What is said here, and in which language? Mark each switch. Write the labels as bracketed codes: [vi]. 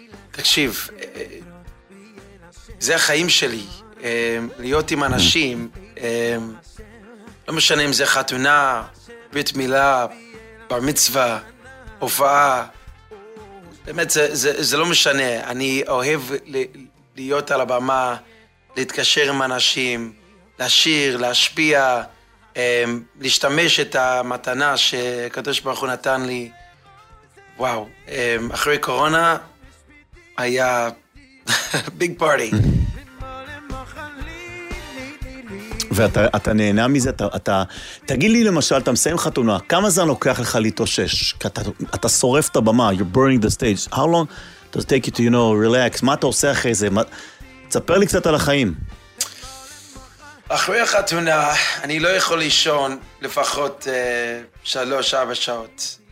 [he] תקשיב, זה החיים שלי, להיות עם אנשים, לא משנה אם זה חתונה, בית מילה, בר מצווה, הופעה, באמת זה לא משנה, אני אוהב להיות על הבמה, להתקשר עם אנשים, להשיר, להשפיע, להשתמש את המתנה שקדוש ברוך הוא נתן לי. וואו, אחרי קורונה היה [en] ביג פארטי. [he] ואתה נהנה מזה, אתה תגיד לי למשל, אתה מסיים חתונה, כמה זמן לוקח לך להתאושש? אתה שורף את הבמה, [en] you're burning the stage, how long does it take you to, you know, relax? [he] מה אתה עושה אחרי זה? תספר לי קצת על החיים. אחרי החתונה, אני לא יכול לישון לפחות 3-4 שעות.